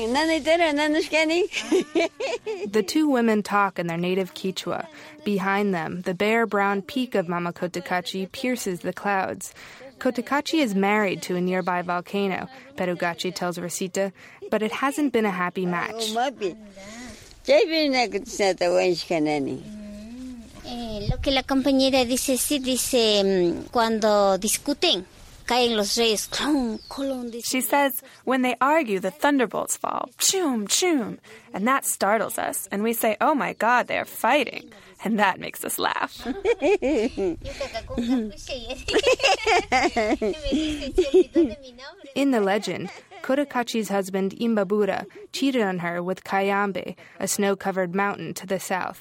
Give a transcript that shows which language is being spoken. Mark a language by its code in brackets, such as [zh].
[en] The two women talk in their native Quechua. Behind them, the bare brown peak of Mama Cotacachi pierces the clouds. Cotacachi is married to a nearby volcano, Perugachi tells Rosita, but it hasn't been a happy match. [es] Lo que la compañera dice, sí, dice, cuando discuten, caen los reyes. [en] She says, when they argue, the thunderbolts fall. Choom, choom. And that startles us. And we say, oh my God, they're fighting. And that makes us laugh. In the legend, Cotacachi's husband, Imbabura, cheated on her with Cayambe, a snow-covered mountain to the south.